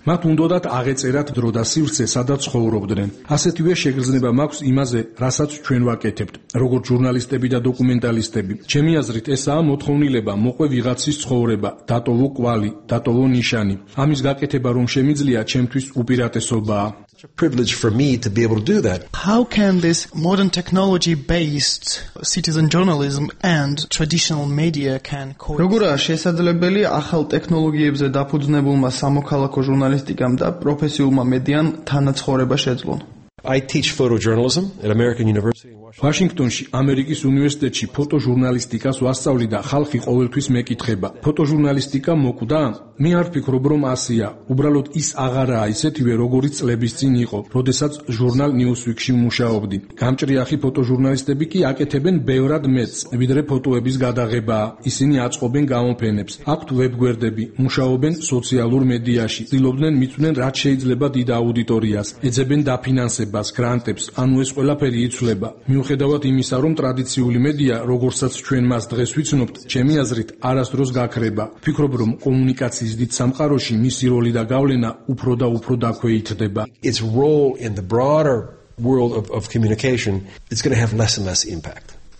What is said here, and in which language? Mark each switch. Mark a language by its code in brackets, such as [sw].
[ka] მათ უნდოდათ აღეწერათ დრო და სივრცე, სადაც ცხოვრობდნენ. ასეთივე შეგრძნება მაქვს იმაზე, რასაც ჩვენ ვაკეთებთ, როგორც ჟურნალისტები და დოკუმენტალისტები. ჩემი აზრით, ესაა მოთხოვნილება, მოყვე ვიღაცის ცხოვრება, დატოვო კვალი, დატოვო ნიშანი. ამის გაკეთება რომ შემიძლია, ჩემთვის უპირატესობაა. [en] It's a privilege for me to be able to do that. How can this modern technology based citizen journalism and traditional media can coexist? [ka] როგორია შესაძლებელი ახალ ტექნოლოგიებზე დაფუძნებულმა სამოქალაქო ჟურნალისტიკამ და პროფესიულმა მედიამ თანაცხოვრება შეძლონ? [en] I teach photojournalism at American University in [ka] Washington-ში, ამერიკის უნივერსიტეტში ფოტოჟურნალისტიკას ვასწავლი და ხალხი ყოველთვის მეკითხება. ფოტოჟურნალისტიკა მოკვდა? მე არ ფიქრობ, რომ ასეა. უბრალოდ ის აღარაა ისეთივე, როგორიც წლების წინ იყო, როდესაც ჟურნალ Newsweek-ში მუშაობდი. გამჭრიახი ფოტოჟურნალისტები კი აკეთებენ ბევრად მეტს, ვიდრე ფოტოების გადაღება. ისინი აწყობენ გამოფენებს, აქვთ ვებგვერდები, მუშაობენ სოციალურ მედიაში, ცდილობდნენ მიცვნენ, რაც შეიძლება დიდ აუდიტორიას, ეძებენ დაფინანსებას, გრანტებს, ანუ ეს ყველაფერი იცვლება. მიუხედავად იმისა, რომ ტრადიციული მედია, როგორცაც ჩვენ მას დღეს ვიცნობთ, ჩემი აზრით არასდროს გაქრება. ფიქრობ, რომ კომუნიკაციის დიდ სამყაროში მისი როლი და გავლენა უფრო და უფრო დაქვეითდება. [en] Its role in the broader world of communication is going to have less and less impact.